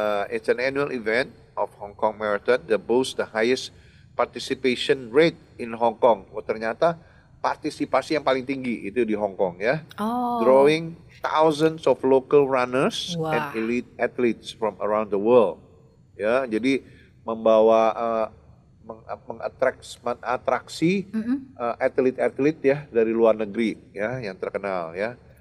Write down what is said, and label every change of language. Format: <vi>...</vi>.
<en>It's an annual event of Hong Kong Marathon that boosts the highest participation rate in Hong Kong.</en> <id>Oh, ternyata partisipasi yang paling tinggi itu di Hong Kong ya. Oh.</id> <en>Drawing thousands of local runners, wow, and elite athletes from around the world.</en> <id>Ya, jadi membawa mengatraksi atlet-atlet ya dari luar negeri ya yang terkenal ya.</id>